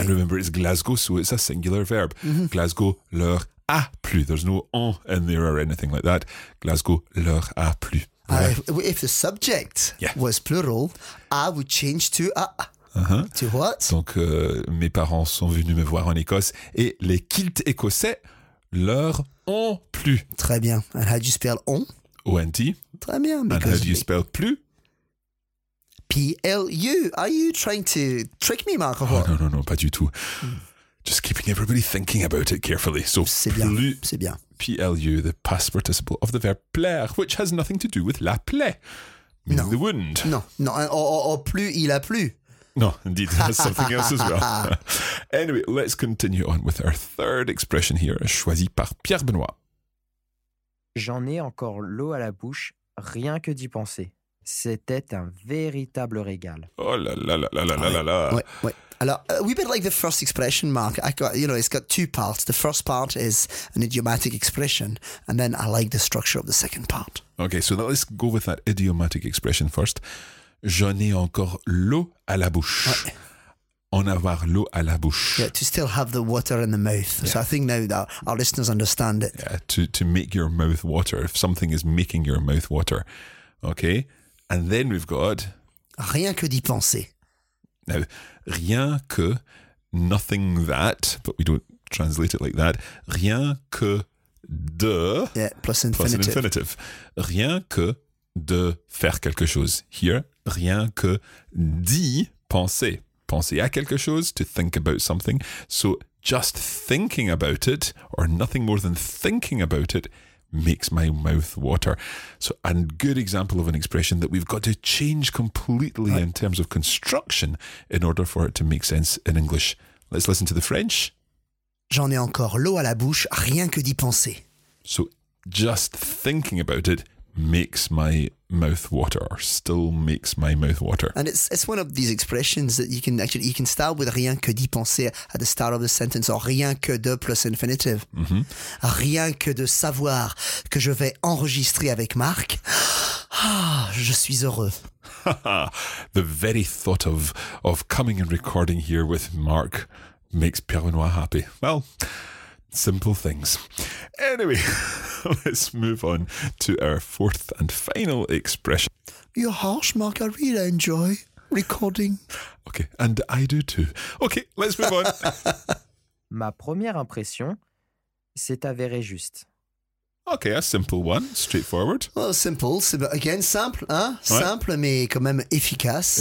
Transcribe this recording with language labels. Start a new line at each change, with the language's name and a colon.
English: And remember, it's Glasgow, so it's a singular verb. Mm-hmm.
French: Glasgow leur a plu.
English: There's no en in there or anything like that.
French: Glasgow leur a plu.
English: If the subject was plural, a would change to a. Uh-huh. To what?
French: Donc, mes parents sont venus me voir en Écosse et les kilts écossais leur ont plu. Très bien.
English: And how do you spell on? O-N-T.
French: Très bien.
English: And how do you spell plu? P-L-U. Are you trying to trick me, Marco? Oh, no,
French: pas du tout.
English: Just keeping everybody thinking about it carefully. So,
French: c'est bien, c'est bien.
English: P-L-U, the past participle of the verb plaire, which has nothing to do with la plaie, meaning the wound.
French: Or plus il a plu.
English: No, indeed, that's something else as well. Anyway, let's continue on with our third expression here,
French: choisi par Pierre Benoît. J'en ai encore l'eau à la bouche, rien que d'y penser. C'était un véritable régal. Oh là là là là là là là. Oui, oui.
English: Alors, we bit like the first expression, Mark. It's got two parts. The first part is an idiomatic expression, and then I like the structure of the second part. Okay, so let's go with that idiomatic expression first.
French: J'en ai encore l'eau à la bouche. Oui. En avoir l'eau à la bouche.
English: Yeah, to still have the water in the mouth. Yeah. So I think now that our listeners understand it. Yeah, to make your mouth water. If something is making your mouth water. Okay. And then we've got...
French: Rien que d'y penser.
English: Now, rien que, nothing that, but we don't translate it like that.
French: Rien que de...
English: Yeah, plus infinitive. Plus an infinitive.
French: Rien que de faire quelque chose. Here, rien que d'y penser. Penser à quelque chose,
English: to think about something. So just thinking about it, or nothing more than thinking about it, makes my mouth water. So a good example of an expression that we've got to change completely in terms of construction in order for it to make sense in English. Let's listen to the French.
French: J'en ai encore l'eau à la bouche, rien que d'y penser.
English: So just thinking about it makes my mouth water, or still makes my mouth water. And it's one of these expressions that you can start with
French: rien que d'y penser
English: at the start of the sentence, or rien que de plus infinitive. Mm-hmm.
French: Rien que de savoir que je vais enregistrer avec Marc, je suis heureux.
English: The very thought of coming and recording here with Marc makes Pierre-Benoît happy. Well, simple things. Anyway, let's move on to our fourth and final expression. You're harsh, Mark. I really enjoy recording. Okay, and I do too. Okay, let's move on.
French: Ma première impression s'est avérée juste.
English: Okay, a simple one, straightforward. Well, simple, again, simple, hein? Ouais.
French: Simple, mais quand même efficace.